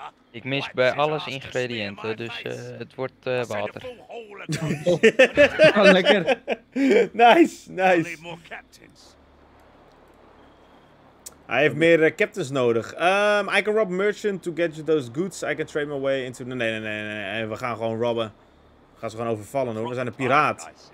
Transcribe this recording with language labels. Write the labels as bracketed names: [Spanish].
[Dutch] Ik mis bij alles ingrediënten, dus het wordt water. Oh, lekker. Nice, nice. Hij heeft meer captains nodig. [English] I can rob merchant to get you those goods. I can trade my way into... [Dutch] Nee. We gaan gewoon robben. We gaan ze gewoon overvallen, hoor. We zijn een piraat.